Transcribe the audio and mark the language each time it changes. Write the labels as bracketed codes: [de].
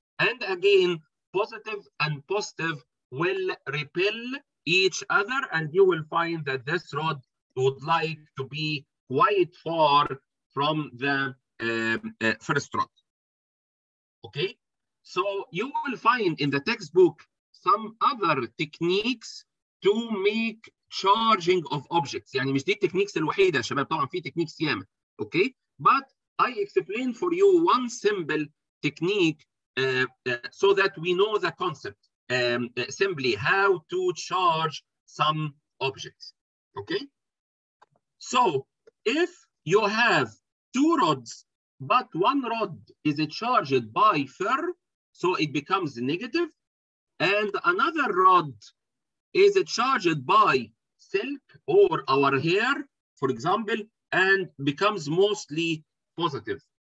[en] And again, positive and positive will repel each other, and you will find that this rod would like to be quite far from the first rod. Okay, so you will find in the textbook some other techniques to make charging of objects. [ar] يعني مش دي التكنيكس الوحيدة شباب, طبعا في تكنيكس ياما. [en] Okay, but I explain for you one simple technique so that we know the concept. Simply how to charge some objects. Okay, so if you have two rods, but one rod is charged by fur, so it becomes negative, and another rod is charged by silk or our hair, for example, and becomes mostly positive.